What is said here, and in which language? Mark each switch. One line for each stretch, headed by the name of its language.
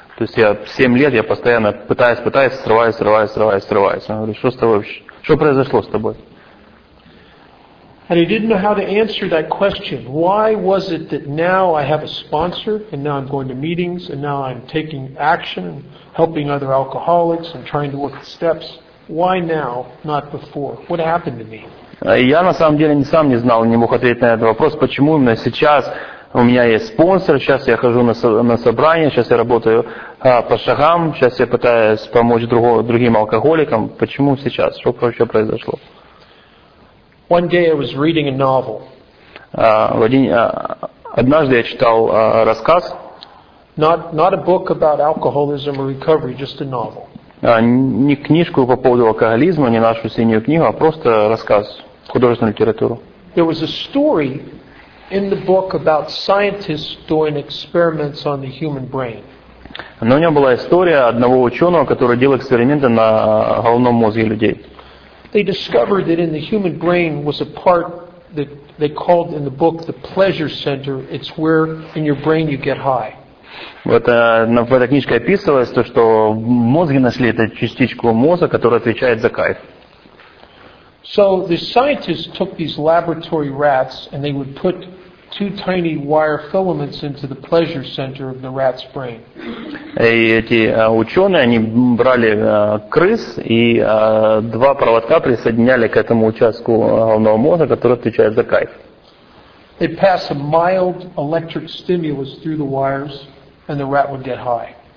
Russian: То есть я 7 лет, я постоянно пытаюсь, срываюсь. Он говорит, что с тобой вообще? Что произошло с тобой?
English: And he didn't know how to answer that question. Why was it that now I have a sponsor, and now I'm going to meetings, and now I'm taking action, helping other alcoholics, and trying to work the steps? Why now, not before? What happened to me?
Russian: Я на самом деле сам не знал, не мог ответить на этот вопрос, почему именно сейчас у меня есть спонсор, сейчас я хожу на собрания, сейчас я работаю по шагам, сейчас я пытаюсь помочь другим алкоголикам. Почему сейчас? Что вообще произошло?
English: One day I was reading a novel.
Russian: Однажды я читал рассказ.
English: Not a book about alcoholism or recovery, just a novel.
Russian: Не книжку по поводу алкоголизма, не нашу синюю книгу, а просто рассказ, художественную литературу.
English: There was a story in the book about scientists doing experiments on the human brain.
Russian: Но у него была история одного ученого, который делал эксперименты на головном мозге людей.
English: They discovered that in the human brain was a part that they called in the book the pleasure center. It's where in your brain you get high.
Russian: В этой книжке описывалось то, что в мозге нашли эту частичку мозга, которая отвечает за кайф.
English: So the scientists took these laboratory rats and they would put 2 tiny wire filaments into the pleasure center of the rat's brain.
Russian: И эти ученые, они брали крыс и 2 проводка присоединяли к этому участку головного мозга, который отвечает за кайф.
English: They'd pass a mild electric stimulus through the wires and the rat would get high.